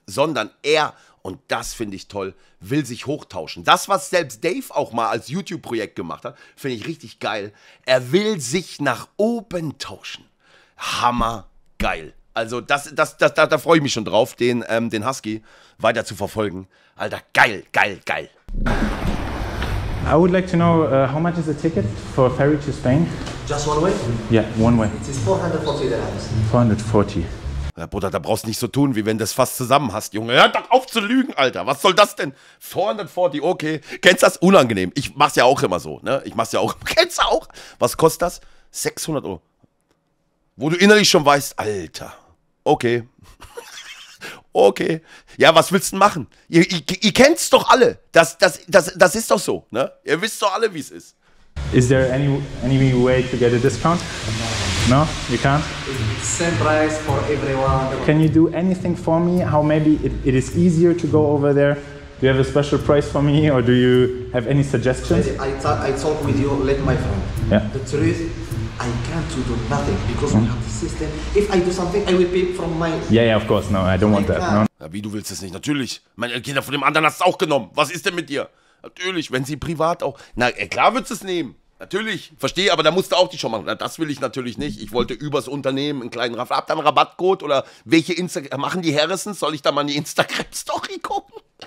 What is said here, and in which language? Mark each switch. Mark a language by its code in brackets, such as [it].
[de] Sondern er, und das finde ich toll, will sich hochtauschen. Das, was selbst Dave auch mal als YouTube-Projekt gemacht hat, finde ich richtig geil. Er will sich nach oben tauschen. Hammer geil. Also da freue ich mich schon drauf, den Husky weiter zu verfolgen. Alter, geil. [en] I would like to know, how much is the ticket for ferry to Spain? Just one way? Yeah, one way. It is 440 dirhams. 440. [de] Ja, Bruder, da brauchst du nicht so tun, wie wenn du das fast zusammen hast, Junge. Hör doch auf zu lügen, Alter. Was soll das denn? 440, okay. Kennst du das? Unangenehm. Ich mach's ja auch immer so, ne? Kennst du auch? Was kostet das? 600 Euro. Wo du innerlich schon weißt, Alter. Okay. Okay. Ja, was willst du denn machen? Ihr kennt's doch alle. Das ist doch so, ne? Ihr wisst doch alle, wie es ist. [en] Is there any way to get a discount? No? You can't? It's the same price for everyone. Can you do anything for me? How maybe it is easier to go over there? Do you have a special price for me or do you have any suggestions? I talk with you, let my friend. Yeah. The truth, I can't do nothing because we have the system. If I do something, I will pay from my... Yeah, of course. No, I don't want that. No. [de] Ja, wie, du willst es nicht? Natürlich. Meine Kinder von dem anderen hast du auch genommen. Was ist denn mit dir? Natürlich, wenn sie privat auch... Na, klar würdest du es nehmen. Natürlich. Verstehe, aber da musst du auch die schon machen. Na, das will ich natürlich nicht. Ich wollte übers Unternehmen einen kleinen Raffel. Habt ihr einen Rabattcode oder welche Instagram... Machen die Harrisons? Soll ich da mal eine Instagram-Story gucken?